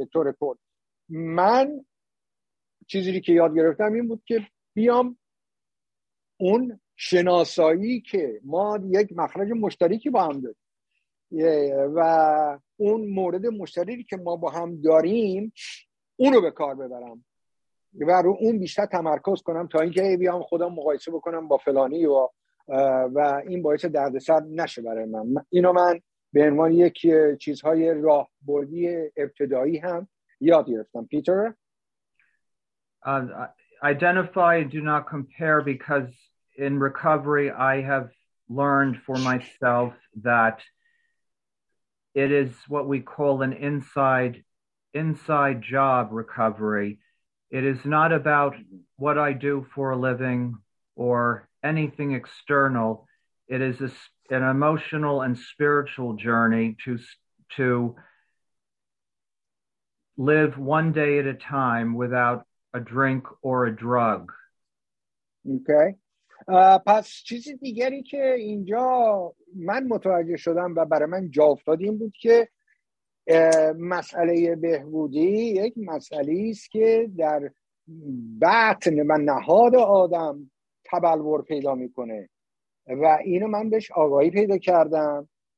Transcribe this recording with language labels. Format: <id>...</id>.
<fa>به طور کل من چیزی که یاد گرفتم این بود که بیام اون شناسایی که ما یک مخرج مشترکی با هم داریم و اون مورد مشترکی که ما با هم داریم اونو به کار ببرم و رو اون بیشتر تمرکز کنم تا اینکه بیام خودم مقایسه بکنم با فلانی و این باعث دردسر نشه برای من. اینو من به عنوان یک چیزهای راهبردی ابتدایی هم یاد گرفتم. پیتر</fa> <en>identify and do not compare, because in recovery I have learned for myself that it is what we call an inside job recovery. It is not about what I do for a living or anything external. It is an emotional and spiritual journey to live one day at a time without a drink or a drug. Okay.</en> <fa>پس چیزی دیگری که اینجا من متوجه شدم و برای من جا افتاد این بود که مسئله بهبودی یک مسئله است که در بطن و نهاد آدم تبلور پیدا میکنه و اینو من بهش آگاهی پیدا کردم.</fa>